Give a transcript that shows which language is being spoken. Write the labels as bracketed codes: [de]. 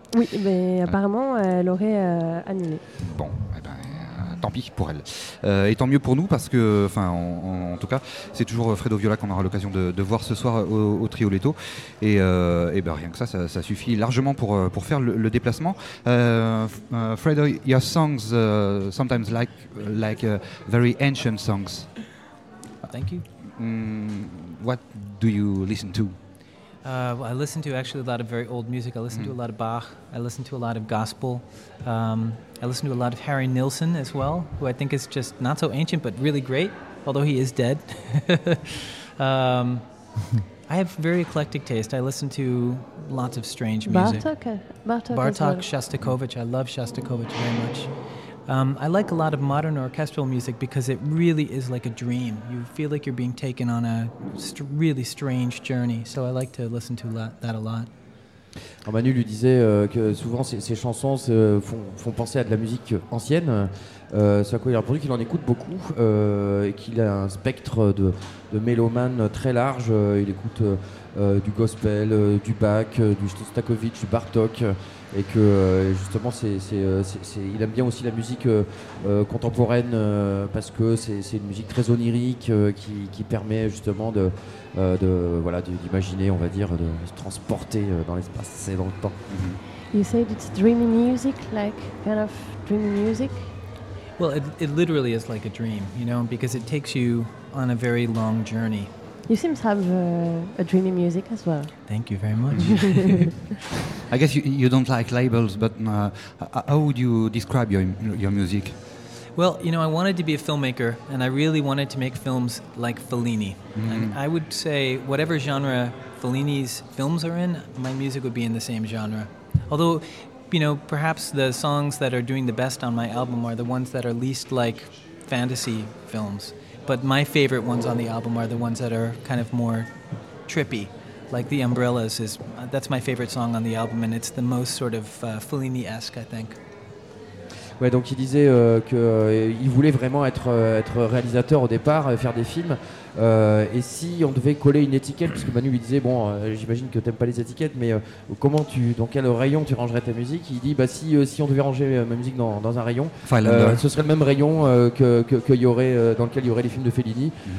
[fr] Oui, mais apparemment elle aurait annulé. Bon, eh ben, tant pis pour elle. Et tant mieux pour nous parce que, enfin, en tout cas, c'est toujours Fredo Viola qu'on aura l'occasion de voir ce soir au Trio Leto. Et ben rien que ça suffit largement pour faire le déplacement. [en] Fredo, your songs sometimes like very ancient songs. Thank you. What do you listen to? Well, I listen to actually a lot of very old music. I listen to a lot of Bach. I listen to a lot of gospel. I listen to a lot of Harry Nilsson as well, who I think is just not so ancient, but really great, although he is dead. I have very eclectic taste. I listen to lots of strange music. Bartok, Shostakovich. I love Shostakovich very much. I like a lot of modern orchestral music because it really is like a dream. You feel like you're being taken on a really strange journey. So I like to listen to that a lot. [fr] Alors Manu lui disait que souvent ces chansons font penser à de la musique ancienne. C'est à quoi il a répondu qu'il en écoute beaucoup et qu'il a un spectre de mélomane très large. Il écoute du gospel, du Bach, du Shostakovich, du Bartok. Et que justement, il aime bien aussi la musique contemporaine parce que c'est une musique très onirique qui permet justement d'imaginer, on va dire, de se transporter dans l'espace et dans le temps. [en] You said it's dreamy music, like kind of dreamy music. Well, it literally is like a dream, you know, because it takes you on a very long journey. You seem to have a dreamy music as well. Thank you very much. I guess you don't like labels, but how would you describe your music? Well, you know, I wanted to be a filmmaker, and I really wanted to make films like Fellini. Mm-hmm. And I would say whatever genre Fellini's films are in, my music would be in the same genre. Although, you know, perhaps the songs that are doing the best on my album are the ones that are least like fantasy films. But my favorite ones on the album are the ones that are kind of more trippy. Like The Umbrellas, that's my favorite song on the album, and it's the most sort of Fellini-esque, I think. [fr] Ouais, donc il disait qu'il voulait vraiment être réalisateur au départ, faire des films. Et si on devait coller une étiquette, parce que Manu lui disait, bon, j'imagine que t'aimes pas les étiquettes, mais dans quel rayon tu rangerais ta musique? Il dit, si on devait ranger ma musique dans un rayon, ce serait le même rayon qu'il y aurait, dans lequel il y aurait les films de Fellini.